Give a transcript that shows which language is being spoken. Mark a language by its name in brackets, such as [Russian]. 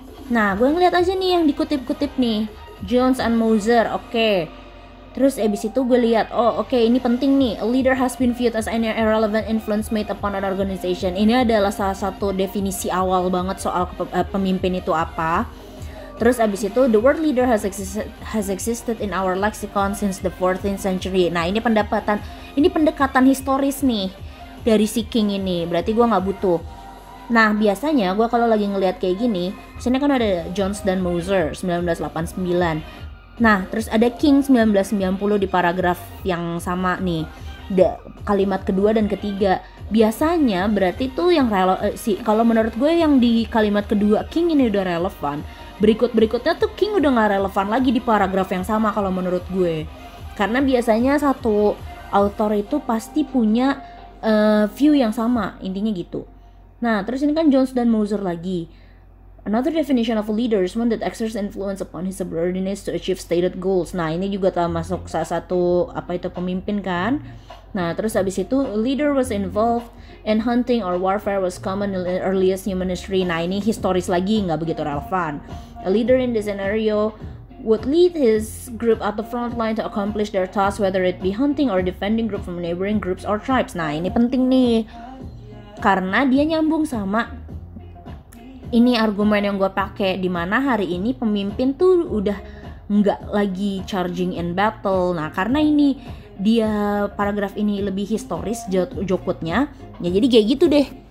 [Indonesian] Nah, gue ngeliat aja nih yang dikutip-kutip nih, Jones and Moser, okay. Terus abis itu gue lihat, oh okay, ini penting nih. [English] A leader has been viewed as an irrelevant influence made upon an organization. [Indonesian] Ini adalah salah satu definisi awal banget soal pemimpin itu apa. Terus abis itu, [English] the word leader has existed in our lexicon since the 14th century. [Indonesian] Nah, ini pendapatan, ini pendekatan historis nih dari si King ini. Berarti gue gak butuh. Nah, biasanya gue kalau lagi ngelihat kayak gini, sini kan ada Jones dan Moser 1989. Nah, terus ada King 1990 di paragraf yang sama nih. Kalimat kedua dan ketiga. Biasanya berarti tuh yang kalau menurut gue yang di kalimat kedua King ini udah relevan. Berikut-berikutnya tuh King udah gak relevan lagi di paragraf yang sama kalau menurut gue. Karena biasanya satu author itu pasti punya view yang sama, intinya gitu. Nah, terus ini kan Jones dan Moser lagi. [English] Another definition of a leader is one that exerts influence upon his subordinates to achieve stated goals. [Indonesian] Nah, ini juga telah masuk salah satu apa itu pemimpin kan. Nah, terus abis itu, [English] a leader was involved in hunting or warfare was common in earliest human history. [Indonesian] Nah, ini historis lagi, nggak begitu relevan. [English] A leader in this scenario would lead his group at the front line to accomplish their task, whether it be hunting or defending group from neighboring groups or tribes. [Indonesian] Nah, ini penting nih, karena dia nyambung sama ini argumen yang gue pakai, di mana hari ini pemimpin tuh udah nggak lagi [English] charging in battle. [Indonesian] Nah, karena ini dia paragraf ini lebih historis jokutnya, ya jadi kayak gitu deh.